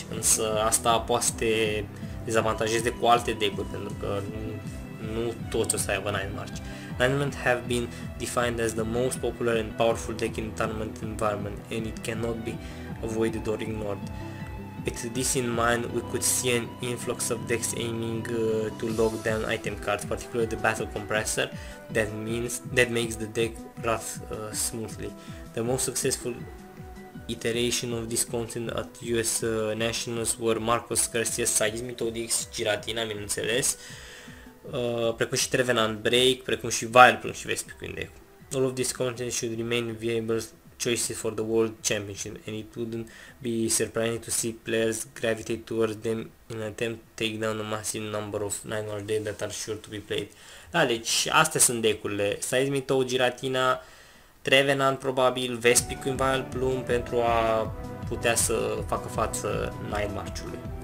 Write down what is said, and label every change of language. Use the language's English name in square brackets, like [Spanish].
[Romanian] Însă asta poate să te dezavantajeze cu alte deck-uri, pentru că nu toți o să aibă Nightmarch. [English] Nightmarch have been defined as the most popular and powerful deck in the tournament environment, and it cannot be avoided or ignored. With this in mind, we could see an influx of decks aiming to lock down item cards, particularly the Battle Compressor, that makes the deck run smoothly. The most successful iteration of this content at US Nationals were Marcos Garcia, Seismic Toad X, Giratina, [Romanian] bineînțeles, precum și [English] Trevenant Break, [Romanian] precum și [English] Vileplume și Vespiquen deck. All of this content should remain viable choices for the World Championship, and it wouldn't be surprising to see players gravitate towards them in attempt to take down the massive number of 9 decks that are sure to be played. [Romanian] Da, deci astea sunt deck-urile. Seismic Toad, Giratina, Trevenant probabil, Vespiquen, Vileplume pentru a putea să facă față Nightmarch-ului.